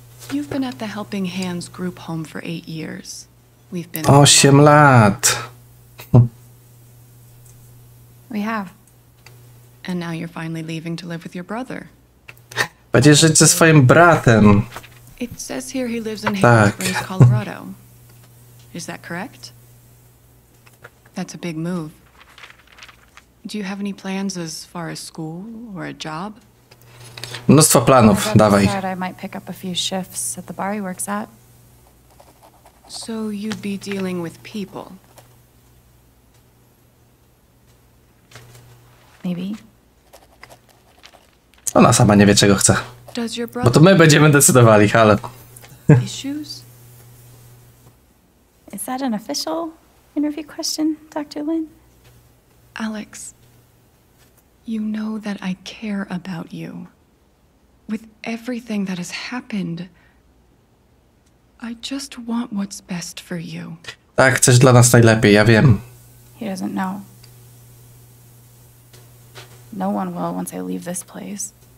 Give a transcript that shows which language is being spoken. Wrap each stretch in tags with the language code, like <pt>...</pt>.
<en>You've been at the Helping Hands group home for 8 years. We've been</en> <pl>8 lat.</pl> <en>We have. And now you're finally leaving to live with your brother.</en> <pl>Będzie żyć ze swoim bratem.</pl> <en>It says here he lives in Haines, Colorado. Is that correct? That's a big move. Do you have any plans as far as school or a job?</en> <pl>Mnóstwo planów, dawaj.</pl> <en>I might pick up a few shifts at the bar he works at. So you'd be dealing with people. Maybe.</en> <pl>Ona sama nie wie, czego chce. Bo to my będziemy decydowali, ale.</pl> <en>Is that an official interview question, Dr. Lin? Alex, you know that I care about you. With everything that has happened, I just want what's best for you.</en> <pl>Tak, chcesz dla nas najlepiej, ja wiem.</pl> <en>He doesn't know. No one will once I leave this place.</en>